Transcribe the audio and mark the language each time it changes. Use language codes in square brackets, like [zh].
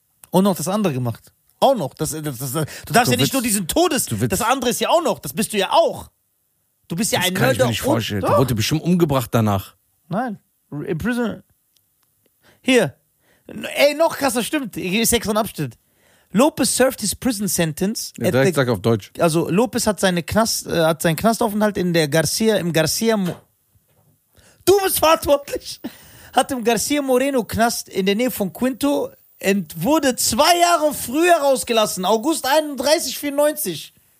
[de] Und noch das andere gemacht. Auch noch. Du darfst du ja willst, nicht nur diesen Todes, das andere ist ja auch noch. Das bist du ja auch. Du bist ja das ein Mörder. Das kann ich mir nicht vorstellen. Da wurde bestimmt umgebracht danach. Nein. [en] In prison. [de] Hier. Ey, noch krasser, stimmt. Hier ist extra ein Abschnitt. [en] Lopez served his prison sentence. [de] Ja, direkt sag auf Deutsch. Also, Lopez hat seinen Knastaufenthalt in der Garcia, im Garcia. Du bist verantwortlich! Hat im Garcia Moreno Knast in der Nähe von Quinto und wurde 2 Jahre früher rausgelassen. [en] August 31, 94.